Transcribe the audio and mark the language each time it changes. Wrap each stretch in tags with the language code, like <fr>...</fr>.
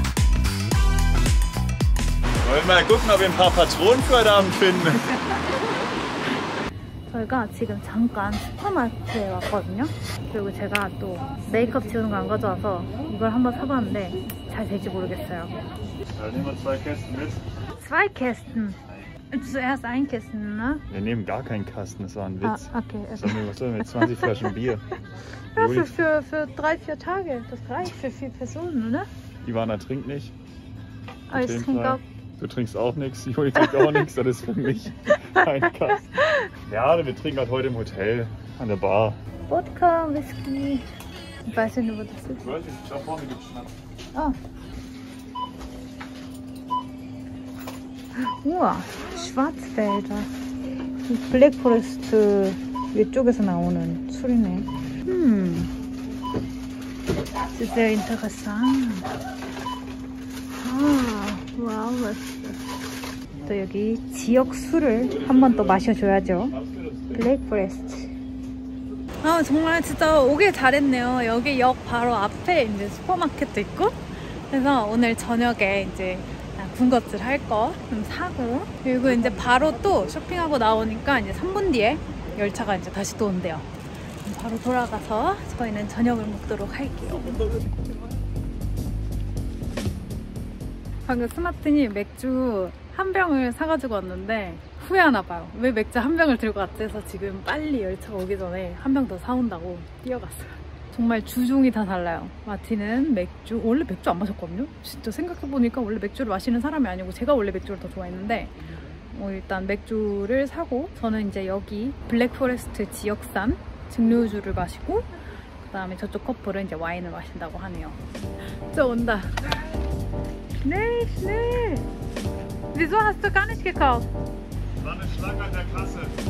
<ko>그러면</ko> <de>mal gucken, ob wir ein paar Patronen für heute Abend finden. 저</de> <ko>저희가 지금 잠깐 슈퍼마트에 왔거든요. 그리고 제가 또 메이크업 지우는 거 안 가져와서 이걸 한번 사봤는데 잘 될지 모르겠어요. 2 캐스트</ko> <de>Du hast einen Kasten, ne? Wir nehmen gar keinen Kasten, das war ein Witz. Ah, okay. Sondern was soll mit 20 Flaschen Bier? Das ist für 3-4 Tage, das reicht für 4 Personen, oder? Ivana trinkt nicht. Aber ich trinke auch. Du trinkst auch nichts, Juli trinkt auch nichts, das ist für mich kein Kasten. Ja, wir trinken halt heute im Hotel, an der Bar. Wodka, Whisky. Ich weiß nicht, wo das ist. Ich weiß nicht, da vorne gibt es Schnaps. Oh. Wow, Schwarzwälder.</de> <ko>Black Forest, 이쪽에서 나오는 술이네.</ko> <de>Das ist sehr interessant. Ah, wow.</de> <ko>또 여기 지역 술을 한 번 더 마셔줘야죠.</ko> <en>Black Forest.</en> <ko>아, 정말 진짜 오길 잘했네요. 여기 역 바로 앞에 이제 슈퍼마켓도 있고. 그래서 오늘 저녁에 이제 군것질 할 거 좀 사고 그리고 이제 바로 또 쇼핑하고 나오니까 이제 3분 뒤에 열차가 이제 다시 또 온대요. 바로 돌아가서 저희는 저녁을 먹도록 할게요. 방금 스마트님 맥주 한 병을 사가지고 왔는데 후회하나 봐요. 왜 맥주 한 병을 들고 왔지 해서 지금 빨리 열차가 오기 전에 한 병 더 사온다고 뛰어갔어요. 정말 주종이 다 달라요. 마틴은 맥주, 원래 맥주 안 마셨거든요? 진짜 생각해보니까 원래 맥주를 마시는 사람이 아니고 제가 원래 맥주를 더 좋아했는데 일단 맥주를 사고 저는 이제 여기 블랙포레스트 지역산 증류주를 마시고 그 다음에 저쪽 커플은 이제 와인을 마신다고 하네요. 저 온다. 네, 네.</ko> <de>Wieso hast du gar nicht gekauft? Lange Schlange an der Kasse.</de>